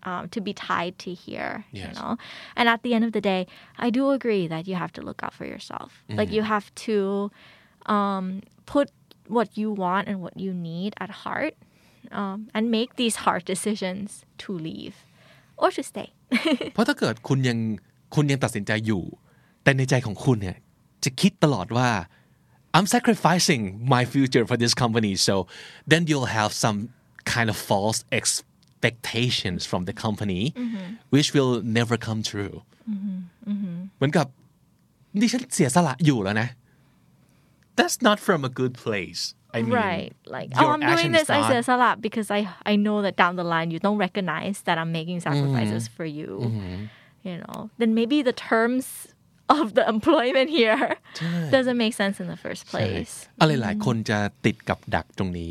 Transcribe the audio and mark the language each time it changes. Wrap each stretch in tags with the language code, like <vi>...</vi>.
<en>To be tied to here, you know? And at the end of the day, I do agree that you have to look out for yourself. Like, you have to put what you want and what you need at heart and make these hard decisions to leave or to stay.</en> <th>เพราะถ้าเกิดคุณยังตัดสินใจอยู่แต่ในใจของคุณเนี่ยจะคิดตลอดว่า</th> <en>I'm sacrificing my future for this company. So then you'll have some kind of false expectations from the company, mm-hmm. which will never come true. Mm-hmm.</en> <th>เหมือนกับดิฉันเสียสละอยู่แล้วนะ</th> <en>That's not from a good place. I mean, right. Like, oh, I'm doing this, I say this a lot because I know that down the line you don't recognize that I'm making sacrifices mm-hmm. for you. Mm-hmm. You know, then maybe the terms of the employment here doesn't make sense in the first place.</en> <th>อะไรหลายคนจะติดกับดักตรงนี</th>